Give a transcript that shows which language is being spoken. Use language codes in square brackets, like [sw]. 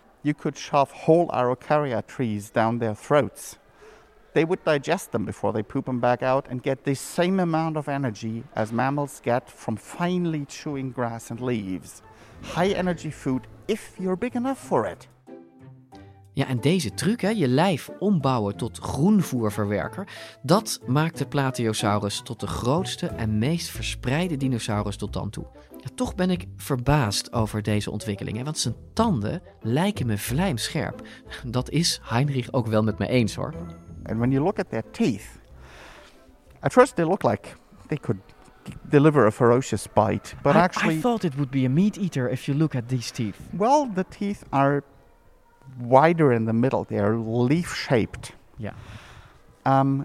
[en] You could shove whole araucaria trees down their throats. They would digest them before they poop them back out and get the same amount of energy as mammals get from finely chewing grass and leaves. High energy food if you're big enough for it. [nl] Ja, en deze truc, hè, je lijf ombouwen tot groenvoerverwerker, dat maakt de Plateosaurus tot de grootste en meest verspreide dinosaurus tot dan toe. Ja, toch ben ik verbaasd over deze ontwikkeling, hè, want zijn tanden lijken me vlijmscherp. Dat is Heinrich ook wel met me eens, hoor. [en] And when you look at their teeth, at first they look like they could deliver a ferocious bite, but actually I thought it would be a meat eater if you look at these teeth. Well, the teeth are wider in the middle. They are leaf-shaped. Yeah.